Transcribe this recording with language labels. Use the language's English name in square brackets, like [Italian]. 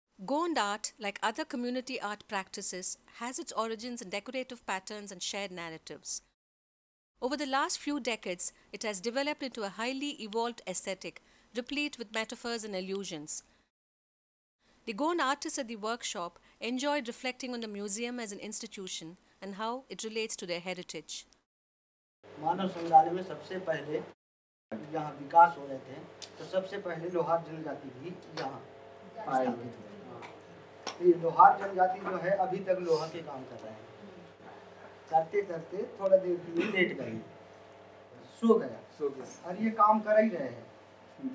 [English] Gond art, like other community art practices, has its origins in decorative patterns and shared narratives. Over the last few decades, it has developed into a highly evolved aesthetic, replete with metaphors and allusions. The Gond artists at the workshop enjoyed reflecting on the museum as an institution and how it relates to their heritage. [Hindi] मानव संग्रहालय में सबसे पहले यहाँ विकास हो रहे थे, तो सबसे पहले लोहार जनजाति भी यहाँ आई थी। लोहार जनजाति जो है अभी तक लोहा के काम कर रहे हैं। करते करते थोड़ा देर के लिए लेट गई, सो गया और ये काम कर ही रहे हैं।